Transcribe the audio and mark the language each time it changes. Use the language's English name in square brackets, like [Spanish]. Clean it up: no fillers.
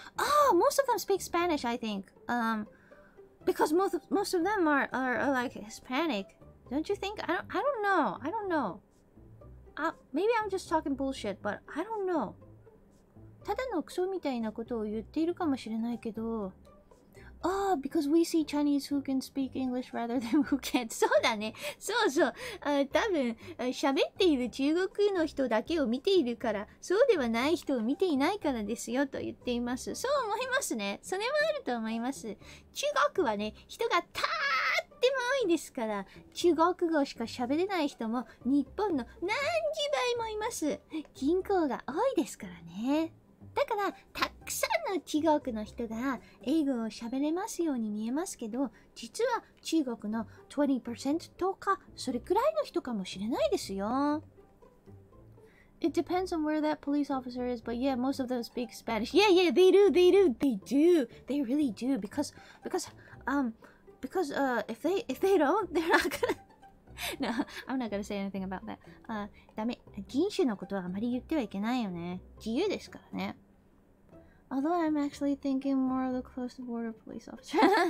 [English] Ah, most of them speak Spanish, I think. Because most of them are like Hispanic. Don't you think? I don't know. Maybe I'm just talking bullshit, but I don't know. [Japanese] ただのクソみたいなことを言っているかもしれないけど。 [English] Oh, because we see Chinese who can speak English rather than who can't. [Japanese] そうだね。そうそう。多分、喋っている中国の人だけを見ているから、そうではない人を見ていないからですよと言っています。そう思いますね。それもあると思います。中国はね、人がたーっても多いですから、中国語しか喋れない人も日本の何十倍もいます。人口が多いですからね。だから、たくさんの中国の人が英語を喋れますように見えますけど、実は中国の 20% とか、それくらいの人かもしれないですよ。 [English] It depends on where that police officer is, but yeah, most of them speak Spanish. Yeah, yeah, they do, they do, they do. They really do, because if they don't, they're not gonna... No, I'm not gonna say anything about that. [Japanese] ダメ。人種のことはあまり言ってはいけないよね。自由ですからね。 [English] Although I'm actually thinking more of the close to border police officer.